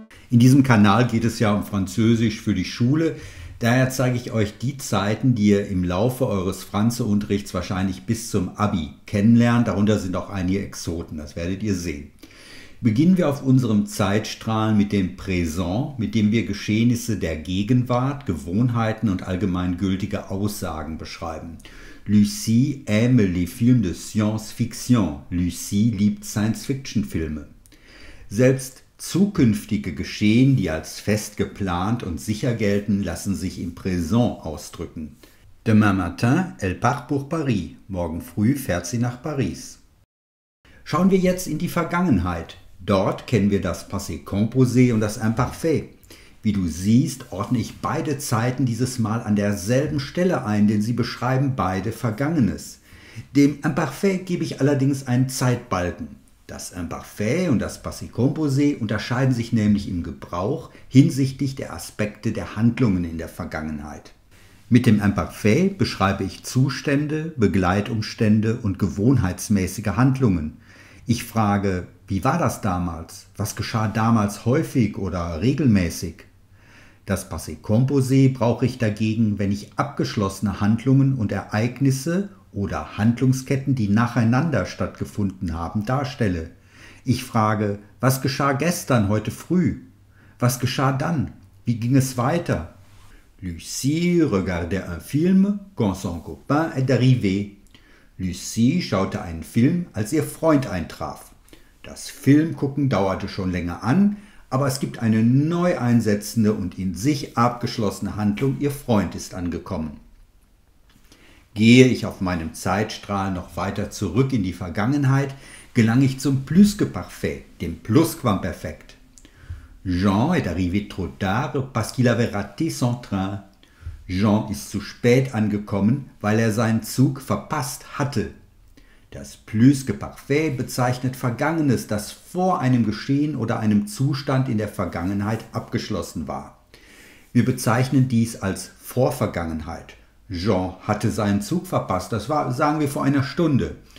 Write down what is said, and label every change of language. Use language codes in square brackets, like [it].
[de] In diesem Kanal geht es ja um Französisch für die Schule. Daher zeige ich euch die Zeiten, die ihr im Laufe eures Franze-Unterrichts wahrscheinlich bis zum Abi kennenlernt. Darunter sind auch einige Exoten, das werdet ihr sehen. Beginnen wir auf unserem Zeitstrahl mit dem Präsent, mit dem wir Geschehnisse der Gegenwart, Gewohnheiten und allgemeingültige Aussagen beschreiben. [fr] Lucie aime les films de science-fiction. [de] Lucie liebt Science-Fiction-Filme. Selbst zukünftige Geschehen, die als fest geplant und sicher gelten, lassen sich im Präsent ausdrücken. [fr] Demain matin, elle part pour Paris. [de] Morgen früh fährt sie nach Paris. Schauen wir jetzt in die Vergangenheit. Dort kennen wir das Passé composé und das Imparfait. Wie du siehst, ordne ich beide Zeiten dieses Mal an derselben Stelle ein, denn sie beschreiben beide Vergangenes. Dem Imparfait gebe ich allerdings einen Zeitbalken. Das Imparfait und das Passé composé unterscheiden sich nämlich im Gebrauch hinsichtlich der Aspekte der Handlungen in der Vergangenheit. Mit dem Imparfait beschreibe ich Zustände, Begleitumstände und gewohnheitsmäßige Handlungen. Ich frage, wie war das damals? Was geschah damals häufig oder regelmäßig? Das Passé composé brauche ich dagegen, wenn ich abgeschlossene Handlungen und Ereignisse oder Handlungsketten, die nacheinander stattgefunden haben, darstelle. Ich frage, was geschah gestern, heute früh? Was geschah dann? Wie ging es weiter? [fr] Lucie regardait un film quand son copain est arrivé. [de] Lucie schaute einen Film, als ihr Freund eintraf. Das Filmgucken dauerte schon länger an, aber es gibt eine neu einsetzende und in sich abgeschlossene Handlung, ihr Freund ist angekommen. Gehe ich auf meinem Zeitstrahl noch weiter zurück in die Vergangenheit, gelange ich zum Plusquamparfait, dem Plusquamperfekt. [fr] Jean est arrivé trop tard parce qu'il avait raté son train. [de] Jean ist zu spät angekommen, weil er seinen Zug verpasst hatte. Das Plusquamperfekt bezeichnet Vergangenes, das vor einem Geschehen oder einem Zustand in der Vergangenheit abgeschlossen war. Wir bezeichnen dies als Vorvergangenheit. Jean hatte seinen Zug verpasst, das war, sagen wir, vor einer Stunde.